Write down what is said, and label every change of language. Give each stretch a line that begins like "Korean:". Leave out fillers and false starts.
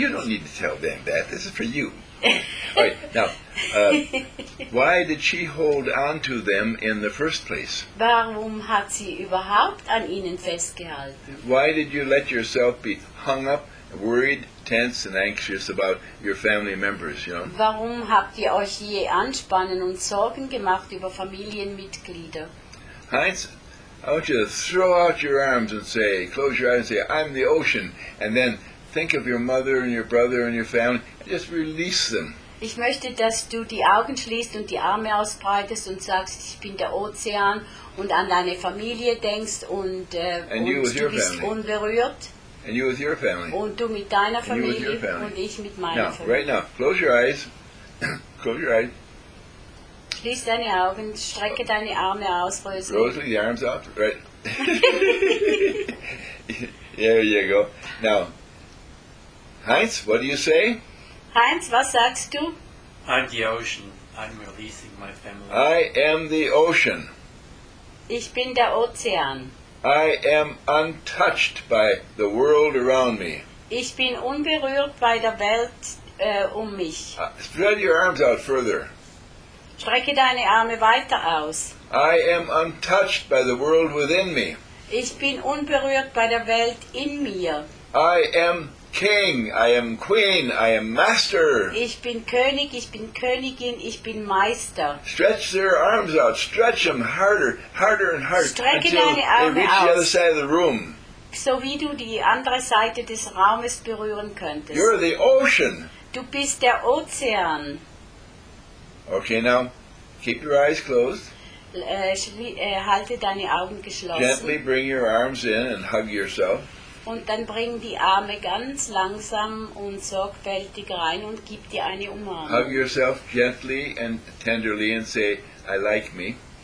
English: You don't need to tell them that. This is for you. All right. Now, why did she hold on to them in the first place?
German: Warum hat sie überhaupt an ihnen festgehalten?
English: Why did you let yourself be hung up, worried, tense and anxious about your family members, you know?
German: Warum habt ihr euch je anspannen und Sorgen gemacht über Familienmitglieder?
English: Heinz, I want you to throw out your arms and say, close your eyes and say, I'm the ocean. And then think of your mother and your brother and your family and just release them.
German: Ich möchte, dass du die Augen schließt und die Arme ausbreitest und sagst, ich bin der Ozean und an deine Familie denkst und du bist unberührt.
English: And you with your family.
German: Und du mit deiner Familie und ich mit meiner
English: now,
German: Familie.
English: Right now, close your eyes. Close your eyes.
German: Schließ deine Augen, strecke deine Arme aus, Rosalie.
English: Rosalie, the arms out, right. There you go. Now, Heinz, what do you say?
German: Heinz, was sagst du?
English: I'm the ocean. I'm releasing my family. I am the ocean.
German: Ich bin der Ozean.
English: I am untouched by the world around me.
German: Ich bin unberührt bei der Welt um mich.
English: Spread your arms out further.
German: Strecke deine Arme weiter aus.
English: I am untouched by the world within me.
German: Ich bin unberührt bei der Welt in mir.
English: I am king, I am queen, I am master.
German: Ich bin König, ich bin Königin, ich bin Meister.
English: Stretch their arms out, stretch them harder, harder and harder.
German: Strecke
English: until
German: deine Arme
English: they reach
German: aus.
English: The other side of the room.
German: So wie du die andere Seite des Raumes berühren könntest.
English: You're the ocean.
German: Du bist der Ozean.
English: Okay, now, keep your eyes closed.
German: Halte deine Augen geschlossen.
English: Gently bring your arms in and hug yourself.
German: Und dann bring die Arme ganz langsam und sorgfältig rein und gib dir eine Umarmung.
English: Hug yourself gently and tenderly and say, I like me.